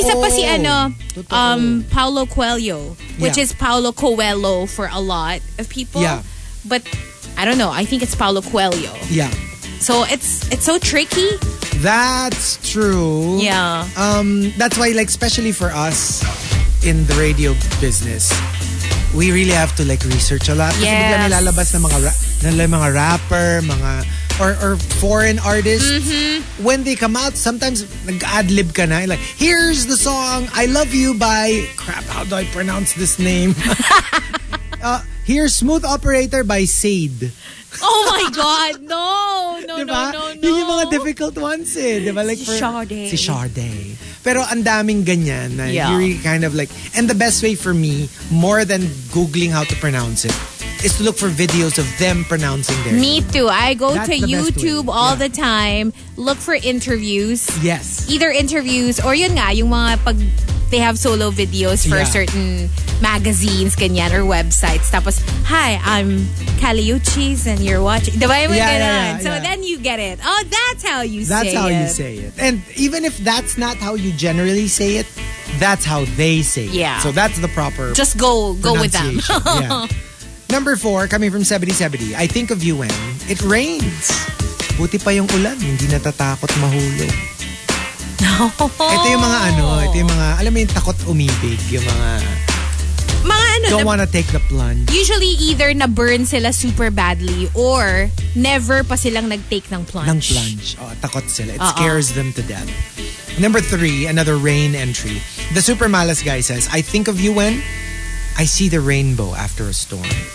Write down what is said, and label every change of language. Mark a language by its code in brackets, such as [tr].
[tl] Isa pa si ano, [en] Paulo Coelho, which is Paulo Coelho for a lot of people. Yeah. But I don't know, I think it's Paulo Coelho. Yeah. So it's so tricky. That's true. Yeah. That's why, like, especially for us in the radio business, we really have to like research a lot. Yes. [tl] Kasi bigla nilalabas ng mga rapper, mga [en] or foreign artists, mm-hmm. when they come out, sometimes nag-adlib ka na. Like, here's the song, I Love You by, crap, how do I pronounce this name? here's Smooth Operator by Sade. Oh my God, no. [tl] Yung mga difficult ones eh. Diba? Like si Sade. Si Sade. Pero ang daming ganyan na [en] really kind of like, and the best way for me, more than Googling how to pronounce it, is to look for videos of them pronouncing their name. Me too. I go to YouTube all the time. Look for interviews. Yes. Either interviews or [tl] yun nga, yung mga pag [en] they have solo videos for certain magazines, ganyan, or websites. Tapos, hi, I'm Kali Uchis and you're watching. [tl] Diba yung ganyan? [en] So then you get it. Oh, that's how you say it. That's how you say it. And even if that's not how you generally say it, that's how they say it. Yeah. So that's the proper just go with them. Yeah. Number four, coming from 7070, I think of you when it rains. [tl] Buti pa yung ulan, hindi natatakot mahulog. [en] No. [tl] Ito yung mga ano, ito yung mga, alam mo yung takot umibig, yung mga ano, [en] don't wanna take the plunge. Usually either na-burn sila super badly or never pa silang nag-take ng plunge. Ng plunge. [tl] Oh, takot sila. [en] It scares them to death. Number three, another rain entry. The super malas guy says, I think of you when I see the rainbow after a storm.